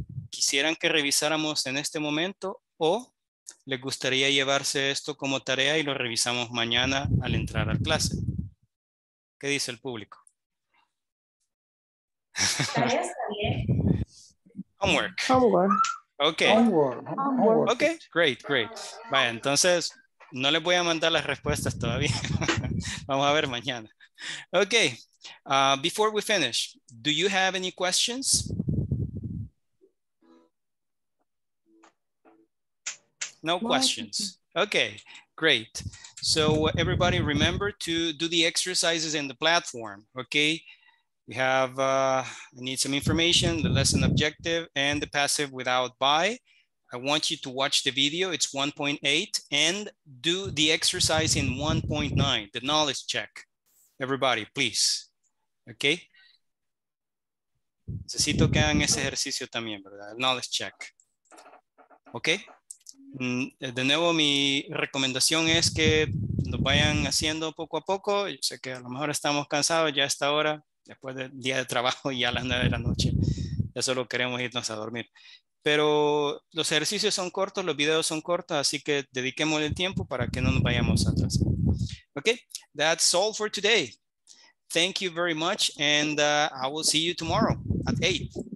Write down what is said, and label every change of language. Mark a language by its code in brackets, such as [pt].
[es] ¿Quisieran que revisáramos en este momento o les gustaría llevarse esto como tarea y lo revisamos mañana al entrar a clase? ¿Qué dice el público? [en] Homework. Homework. Ok, great. [es] Vaya, entonces no les voy a mandar las respuestas todavía. Vamos a ver mañana. [en] Ok, before we finish, do you have any questions? No questions. Okay, great. So everybody remember to do the exercises in the platform, okay? We have, I need some information, the lesson objective and the passive without by. I want you to watch the video, it's 1.8, and do the exercise in 1.9, the knowledge check. Everybody, please, okay? [es] Necesito que hagan ese ejercicio también, ¿verdad? [en] Knowledge check, okay? [es] De nuevo, mi recomendación es que lo vayan haciendo poco a poco. Yo sé que a lo mejor estamos cansados ya a esta hora, después del día de trabajo y a las 9 de la noche. Ya solo queremos irnos a dormir. Pero los ejercicios son cortos, los videos son cortos, así que dediquemos el tiempo para que no nos vayamos atrás. [en] Ok, that's all for today. Thank you very much and I will see you tomorrow at 8.